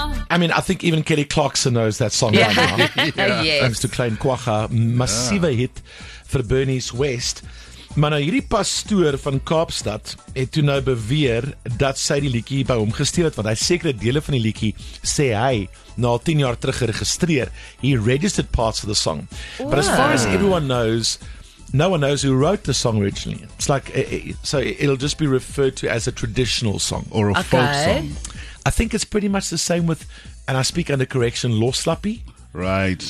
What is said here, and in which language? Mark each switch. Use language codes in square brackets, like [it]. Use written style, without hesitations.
[en] I mean, I think even Kelly Clarkson knows that song right now. Thanks to Klein Quacha. Massive hit for Bernice West. [af] Maar nou, hierdie pastoor van Kaapstad het toe nou beweer dat sy die liedjie by hom gesteel het, want hy sekere dele van die liedjie sê hy na 10 jaar terug geregistreer. [en] He registered parts of the song. Wow. But as far as everyone knows, no one knows who wrote the song originally. It's like, so it'll just be referred to as a traditional song or a folk song. I think it's pretty much the same with, and I speak under correction, Loslappy. Right.